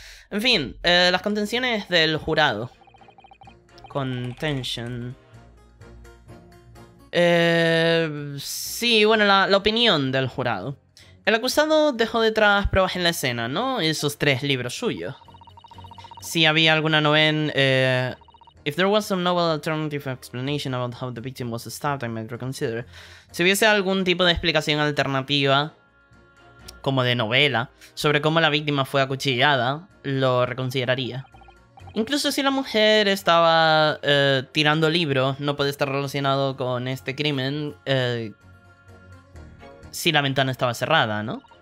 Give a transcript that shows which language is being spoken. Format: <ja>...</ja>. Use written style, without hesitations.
<es>En fin, las contenciones del jurado. Contention... la opinión del jurado. El acusado dejó detrás pruebas en la escena, ¿no? Esos 3 libros suyos. Si había alguna novena...</es> <en>If there was some novel alternative explanation about how the victim was stabbed, I might reconsider.</en> <es>Si hubiese algún tipo de explicación alternativa, como de novela, sobre cómo la víctima fue acuchillada, lo reconsideraría. Incluso si la mujer estaba tirando libros, no puede estar relacionado con este crimen si la ventana estaba cerrada, ¿no?</es>